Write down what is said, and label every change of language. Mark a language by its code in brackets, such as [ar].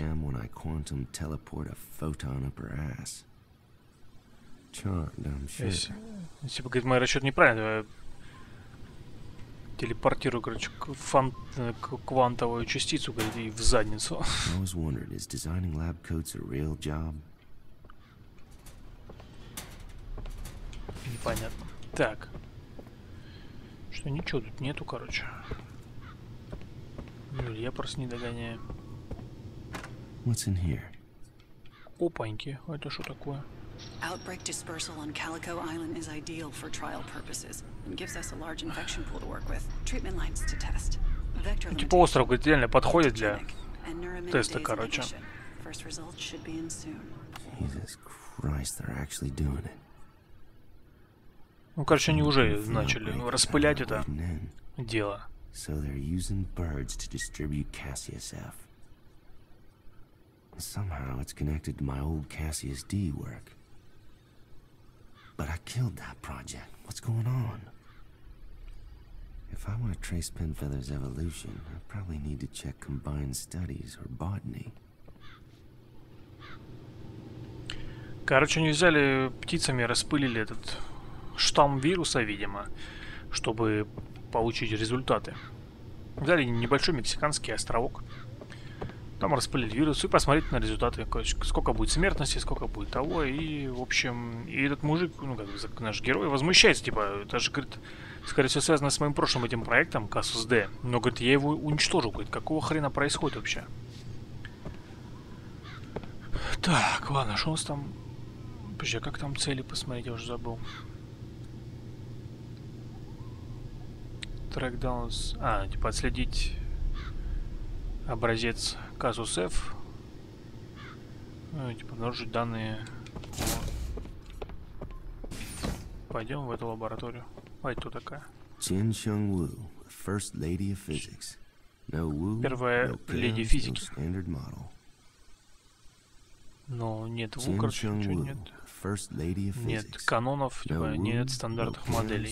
[en] Quantum teleport a photon up her ass. Charmed, I'm sure. [ru] Если бы, говорит, мои расчеты неправильные, то я телепортирую, короче, квантовую частицу, говорит, и в задницу. [en] I was wondering, is designing lab coats a real job? [ru] Непонятно. Так. Что, ничего тут нету, короче. Ну, я просто не догоняю. [en] What's in here? [ru] Опаньки, а это что такое? [en] Outbreak dispersal on Calico Island is ideal for trial purposes and gives us a large infection pool to work with. Treatment lines to test. Vector limitation. [ru] Типа остров, говорит, реально подходит для теста, короче. [en] First results should be in soon. Jesus Christ, they're actually doing it. Ну, короче, они уже начали распылять это дело. So they're using birds to distribute Cassius F. Somehow it's connected to my old Cassius D work. But I killed that project. What's going on? If I want to trace Penfeather's evolution, I probably need to check combined studies or botany. [ru] Короче, они взяли птицами и распылили этот... штамм вируса, видимо, чтобы получить результаты. Взяли небольшой мексиканский островок, там распылили вирус и посмотреть на результаты, сколько будет смертности, сколько будет того, и, в общем, и этот мужик, ну, как наш герой, возмущается, типа, это же, говорит, скорее всего, связано с моим прошлым этим проектом, Casus D, но, говорит, я его уничтожил, говорит, какого хрена происходит вообще? Так, ладно, что у нас там? Подожди, как там цели посмотреть, я уже забыл. Трекдаунс. А, типа отследить образец Casus F. Ну, типа обнаружить данные. Пойдем в эту лабораторию. Ой, кто такая? [en] Чен Шэнь Ву, first lady of physics. No Ву, [ru] первая леди физики. Но нет Ву, короче, ничего нет. [en] First lady of physics. [ru] Нет канонов, типа, нет стандартных моделей.